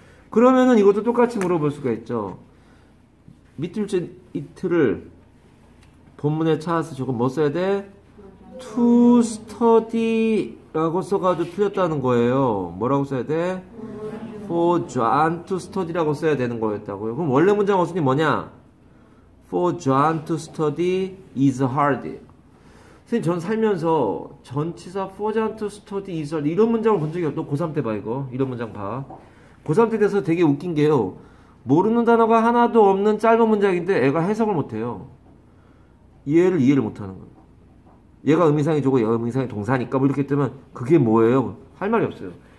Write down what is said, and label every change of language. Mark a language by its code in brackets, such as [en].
[ko] 그러면은 이것도 똑같이 물어볼 수가 있죠. 밑줄 친 이틀을 본문에 찾아서 조금 뭐 써야 돼? To study 라고 써가지고 틀렸다는 거예요. 뭐라고 써야 돼? For John to study 라고 써야 되는 거였다고요. 그럼 원래 문장 어순이 뭐냐? [en] For John to study is hard. [ko] 선생님, 전 살면서 전치사 For John to study is hard 이런 문장을 본 적이 없어. 고3 때 봐 이거. 이런 문장 봐. 고3 때 돼서 되게 웃긴 게요. 모르는 단어가 하나도 없는 짧은 문장인데 애가 해석을 못해요. 이해를 못하는 거예요. 얘가 의미상의 주어, 얘가 의미상의 동사니까 뭐 이렇게 뜨면 그게 뭐예요? 할 말이 없어요.